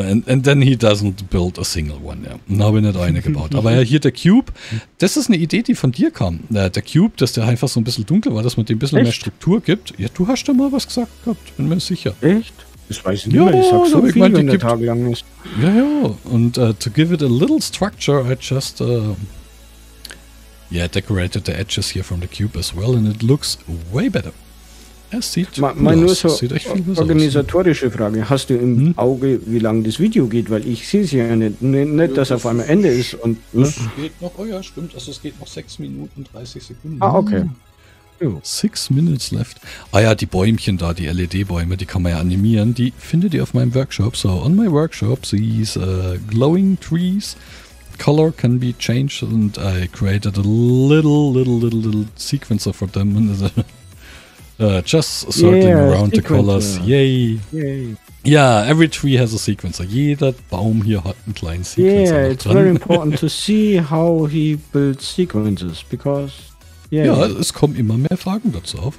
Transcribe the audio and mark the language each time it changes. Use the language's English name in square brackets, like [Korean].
[English] And then he doesn't build a single one, yeah. [German] Und habe ich nicht eine gebaut. Aber ja, hier der Cube, das ist eine Idee, die von dir kam. Der Cube, dass der einfach so ein bisschen dunkel war, dass man dem ein bisschen echt mehr Struktur gibt. Ja, du hast da mal was gesagt gehabt, bin mir sicher. Echt? Das weiß ich nicht mehr, ich sag's so viel, wenn der Tag lang ist. Ja, ja. [English] Und to give it a little structure, I just decorated the edges here from the cube as well and it looks way better. [German] Es sieht nur so sieht echt viel organisatorische aus. Frage. Hast du im Auge, wie lang das Video geht? Weil ich sehe es ja nicht. Nicht, dass auf einmal Ende ist. Und, ne? Es geht noch, oh ja, stimmt. Also es geht noch 6 Minuten 30 Sekunden. Ah, okay. [English] 6 Minutes left. [German] Ah ja, die Bäumchen da, die LED-Bäume, die kann man ja animieren. Die findet ihr auf meinem Workshop. [English] So, on my workshop, these glowing trees. Color can be changed and I created a little sequencer for them. Just circling around the colors. Yay. Yeah, every tree has a sequencer. [German] Jeder Baum hier hat einen kleinen Sequencer. [English] Yeah, it's very important to see how he builds sequences, because... [German] Yeah, es kommen immer mehr Fragen dazu auf.